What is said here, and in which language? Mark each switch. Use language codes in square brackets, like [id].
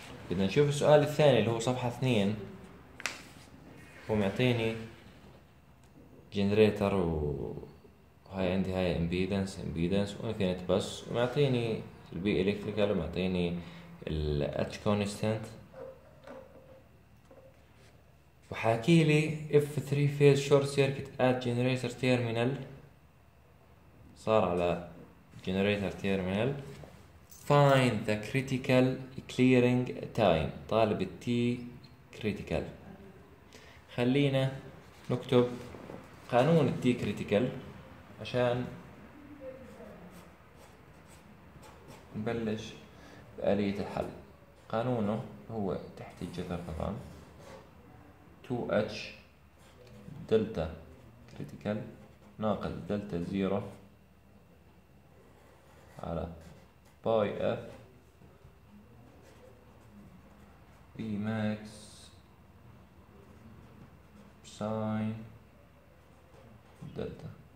[ar] بدنا نشوف السؤال الثاني اللي هو صفحة 2. هو معطيني جنريتر وهاي عندي هاي امبيدنس امبيدنس وانفينيت بس، ومعطيني البي الكتريكال، ومعطيني الاتش كونستنت، وحاكي لي [en] If 3 phase short circuit at generator terminal. [ar] صار على جنريتر تيرمينال. [en] Find the critical clearing time. [ar] طالب ال T critical. خلينا نكتب قانون ال T critical عشان نبلش بآلية الحل. قانونه هو تحت الجذر طبعا 2H delta critical ناقص delta 0 على باي اف بي ماكس ساين دلتا.